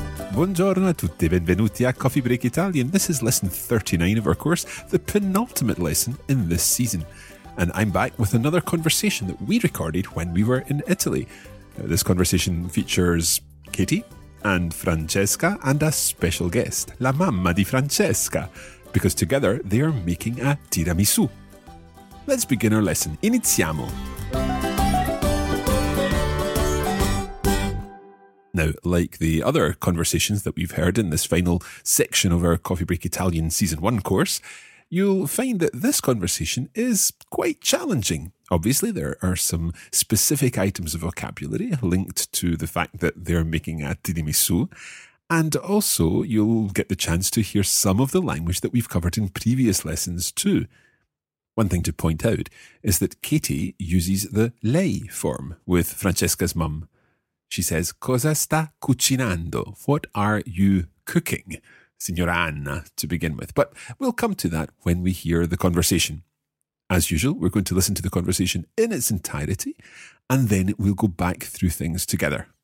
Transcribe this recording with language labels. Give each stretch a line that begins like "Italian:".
Italian: Buongiorno a tutti, benvenuti a Coffee Break Italian.
English: This is Lesson 39 of our course, the penultimate lesson in this season. And I'm back with another conversation that we recorded when we were in Italy. Now, this conversation features Katie and Francesca and a special guest,
Italian: la mamma di Francesca,
English: because together they are making a tiramisu. Let's begin our lesson.
Italian: Iniziamo!
English: Now, like the other conversations that we've heard in this final section of our Coffee Break Italian Season 1 course, you'll find that this conversation is quite challenging. Obviously, there are some specific items of vocabulary linked to the fact that they're making a tiramisu. And also, you'll get the chance to hear some of the language that we've covered in previous lessons too. One thing to point out is that Katie uses the lei form with Francesca's mum. She says,
Italian: cosa sta cucinando?
English: What are you cooking, Signora Anna, to begin with? But we'll come to that when we hear the conversation. As usual, we're going to listen to the conversation in its entirety, and then we'll go back through things together.